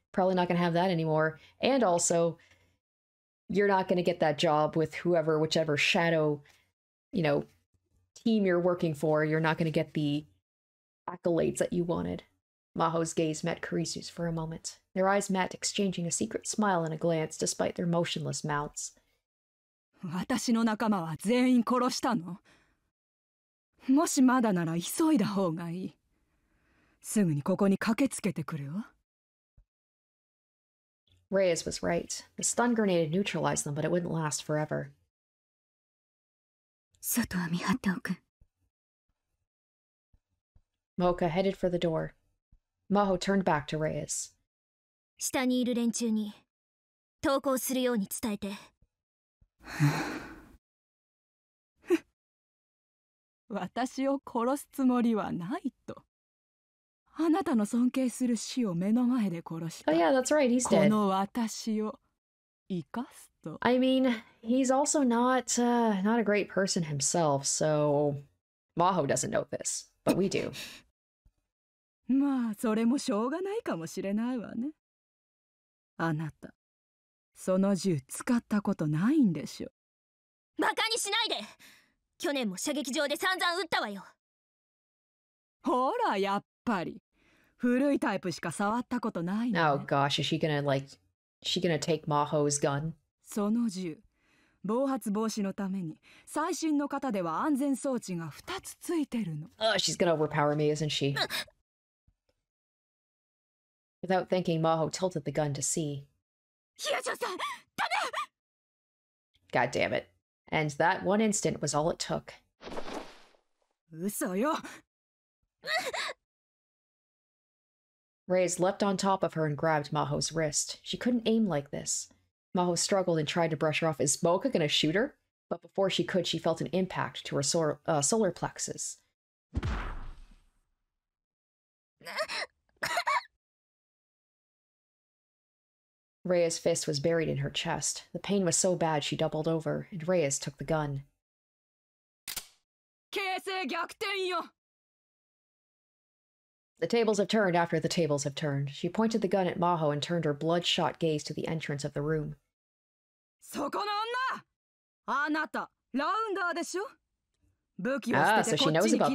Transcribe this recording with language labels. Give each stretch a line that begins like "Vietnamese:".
English: Probably not going to have that anymore. And also, you're not going to get that job with whoever, whichever shadow, you know, team you're working for. You're not going to get the accolades that you wanted. Maho's gaze met Kirisu's for a moment. Their eyes met, exchanging a secret smile and a glance, despite their motionless mouths.
Japanese: 私の仲間は全員殺したの。もしまだなら急いだ方がいい。すぐにここに駆けつけてくるよ。
English: Reyes was right. The stun grenade neutralized them, but it wouldn't last forever.
Japanese: 外は見張っておく。
English: Mooka headed for the door. Maho turned back to Reyes.
Japanese: 下にいる連中に投降するように伝えて。私を殺すつもりはないと。あなたの尊敬する死を目の前で殺した。
English: Oh yeah, that's right, he's dead.
Japanese: この私を生かすと。
English: I mean, he's also not, not a great person himself, so... Maho doesn't know this, but we do.
Japanese: まあ、それもしょうがないかもしれないわね。あなた。その銃使ったことないんでしょ。バカにしないで。去年も射撃場で散々撃ったわよ。ほら、やっぱり古いタイプしか触ったことない
English: ね。Oh gosh, is she gonna like, she gonna take Maho's gun?
Japanese: その銃、暴発防止のために最新の型では安全装置が2つついてるの。
English: Oh, she's gonna overpower me, isn't she? Without thinking, Maho tilted the gun to see. God damn it. And that one instant was all it took. Reyes leapt on top of her and grabbed Maho's wrist. She couldn't aim like this. Maho struggled and tried to brush her off. Is Mooka gonna shoot her? But before she could, she felt an impact to her solar plexus. Reyes' fist was buried in her chest. The pain was so bad she doubled over, and Reyes took the gun.
Japanese: 形勢逆転よ!
English: The tables have turned after the tables have turned. She pointed the gun at Maho and turned her bloodshot gaze to the entrance of the room.
Japanese: そこの女! あなた、ラウンダーでしょ? 武器を捨ててこっちに来